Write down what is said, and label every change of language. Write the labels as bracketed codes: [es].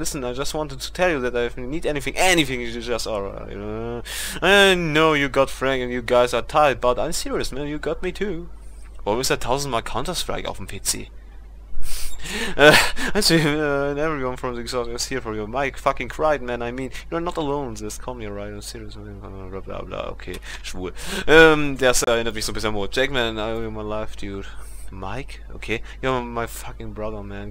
[en] Listen, I just wanted to tell you that if you need anything, you just are. I know you got Frank and you guys are tight, but I'm serious, man. You got me too. [de] Warum ist da tausendmal Counter-Strike auf dem PC? [en] I see, and everyone from the exhaust is here for you. Mike fucking cried, man, I mean, you're not alone, just call me, right? I'm serious, bla bla bla, okay, [de] schwul. Das erinnert mich so ein bisschen an Jackman, [en] I owe you my life, dude. Mike? Okay. You're my fucking brother, man.